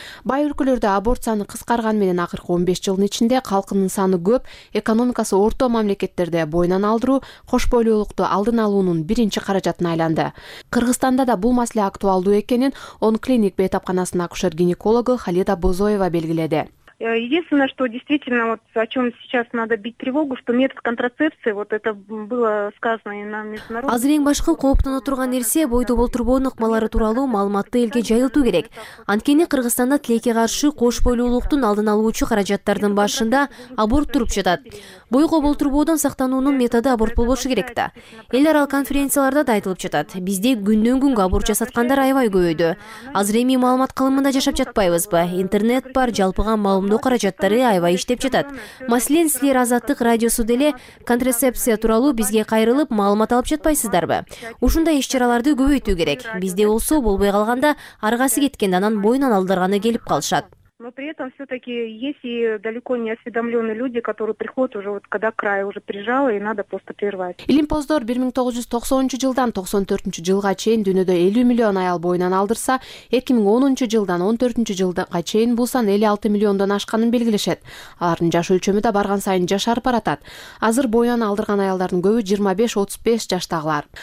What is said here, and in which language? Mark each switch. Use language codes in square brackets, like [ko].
[ky] Бай өлкөлөрдө аборт саны кыскарган менен акыркы 15 жылдын ичинде калкынын саны көп, экономика орто мамлекеттерде боюнан алдыруу кош бойлуулукту алдын алуунун биринчи каражатына айланды. Кыргызстанда да бул маселе актуалдуу экенин он клиник бейтапканасынын акушер-гинекологу Халида Бозоева белгиледи. [ru] Единственное, что действительно вот о чем сейчас надо бить тревогу, что метод контрацепции, вот это было сказано и на международном. [ky] Азыр эң башкы кооптоно турган нерсе бойду болтурбоонун ыкмалары тууралуу маалыматты элге жайылтуу керек. Анткени Кыргызстанда тилекке каршы кош бойлуулуктун алдын алуучу каражаттардын башында аборт туруп жатат. Бойго болтурбоодон сактануунун методу аборт болбошу керек да. Эл аралык конференцияларда да айтылып жатат. Бизде күндөн күнгө аборт жасаткандар аябай көбөйдү. Азыр эми маалымат калымында жашап жатпайбызбы? Интернет бар, жалпыга маалымдоо каражаттары аябай иштеп жатат. Маселен, силер Азаттык радиосу деле контрацепция тууралуу бизге кайрылып маалымат алып жатпайсыздарбы? Ушундай иш чараларды көбөйтүү керек. Бизде болсо болбой калганда аргасы кеткенде анан боюнан алдырганы келип калышат. [ru] Но при этом все-таки есть и далеко не осведомленные люди, которые приходят уже вот когда край уже прижал и надо просто прервать. [ky] Илимпоздор 1990-жылдан 94-жылга чейин дүйнөдө 50 миллион аял боюнан алдырса, 2010-жылдан 14-жылга чейин бул сан 56 миллиондон ашканын белгилешет. Алардын жаш өлчөмү да барган сайын жашарып баратат. Азыр боюнан алдырган аялдардын көбү 25-35 жаштагылар.